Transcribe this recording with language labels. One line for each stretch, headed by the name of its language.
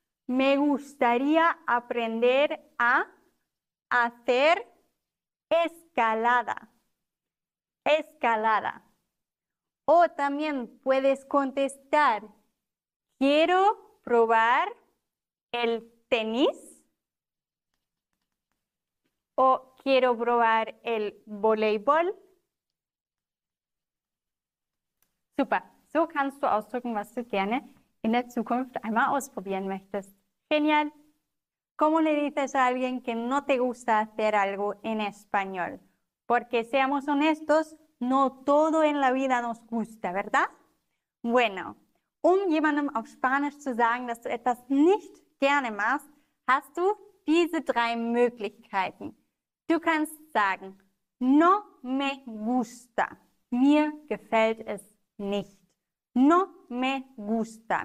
Spanish: Me gustaría aprender a hacer escalada. Escalada. O también puedes contestar, quiero probar el tenis. O quiero probar el voleibol. Super.
German: So kannst du ausdrücken, was du gerne in der Zukunft einmal ausprobieren möchtest.
Spanish: Genial. ¿Cómo le dices a alguien que no te gusta hacer algo en español? Porque seamos honestos, no todo en la vida nos gusta, ¿verdad?
German: Bueno, um jemandem auf Spanisch zu sagen, dass du etwas nicht gerne machst, hast du diese drei Möglichkeiten. Du kannst sagen,
Spanish: no me gusta.
German: Mir gefällt es nicht.
Spanish: No me gusta.